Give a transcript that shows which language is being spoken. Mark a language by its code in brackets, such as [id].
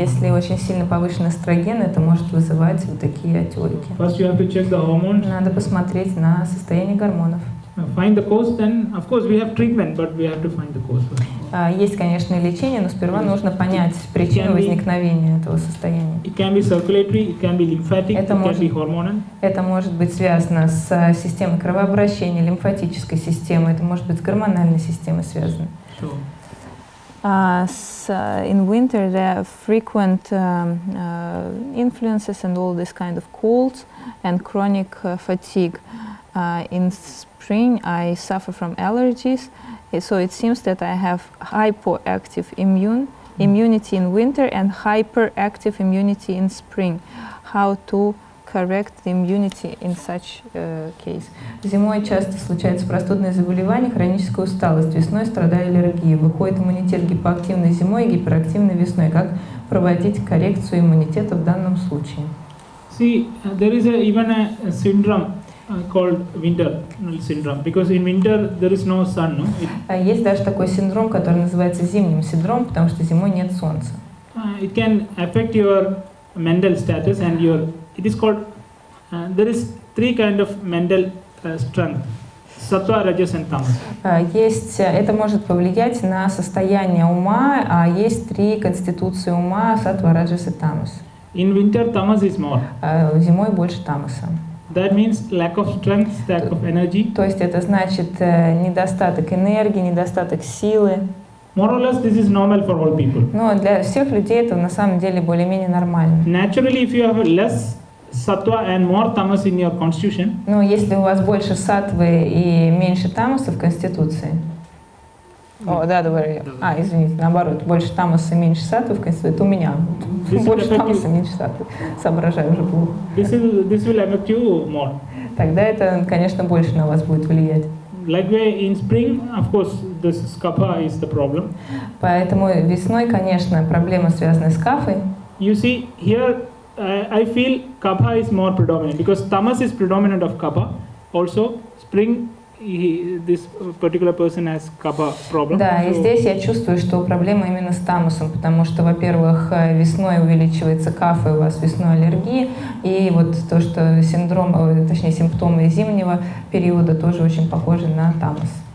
[ru] Если очень сильно повышен эстроген, это может вызывать вот такие отеки. [en] First you have to check the hormones. [ru] Надо посмотреть на состояние гормонов. [en] Find the cause, then of course we have treatment, but we have to find the cause first. [ru] Есть, конечно, лечение, но сперва нужно понять причину возникновения этого состояния. [en] It can be circulatory, it can be lymphatic, it can be hormonal. [ru] Это может быть связано с системой кровообращения, лимфатической системой, это может быть с гормональной системой связано. [en] In winter there are frequent influences and all this kind of colds and chronic fatigue. In spring I suffer from allergies, so it seems that I have hypoactive immunity in winter and hyperactive immunity in spring. How to correct the immunity in such case? [ru] Зимой часто случаются простудные заболевания, хроническая усталость, весной страдаю аллергией. Выходит иммунитет гипоактивный зимой и гиперактивный весной. Как проводить коррекцию иммунитета в данном случае? [en] See, there is even a syndrome called winter syndrome, because in winter there is no sun. No? [ru] Есть даже такой синдром, который называется зимним синдром, потому что зимой нет солнца. [en] It can affect your mental status and your. It is called. There is 3 kind of mental strength. Sattva, rajas and tamas. [ru] Есть. Это может повлиять на состояние ума. А есть 3 конституции ума: саттва, раджас и тамас. [en] In winter, tamas is more. [ru] Зимой больше тамаса. [en] That means lack of strength, lack of energy. [ru] То есть это значит недостаток энергии, недостаток силы. [en] More or less, this is normal for all people. [ru] Но для всех людей это на самом деле более-менее нормально. [en] Naturally, if you have less sattva and more tamas in your constitution. [ru] Но если у вас больше саттвы и меньше тамаса в конституции. О, да, говорю. А, извините, наоборот, больше тамаса, меньше саттвы в конце. Это у меня. Больше тамаса, меньше саттвы. Соображаю уже плохо. [en] This will affect you more. [ru] Тогда это, конечно, больше на вас будет влиять. [en] Likewise, in spring, of course, this skapha is the problem. [ru] Поэтому весной, конечно, проблема связана с кафой. [en] You see, here I feel kapha is more predominant because tamas is predominant of kapha. Also, spring. This particular person has kapha problem. [ru] Да, и здесь я чувствую, что проблема именно с тамусом, потому что, во-первых, весной увеличивается кафа, у вас весной аллергия, и вот то, что синдром, точнее, симптомы зимнего периода тоже очень похожи на тамус.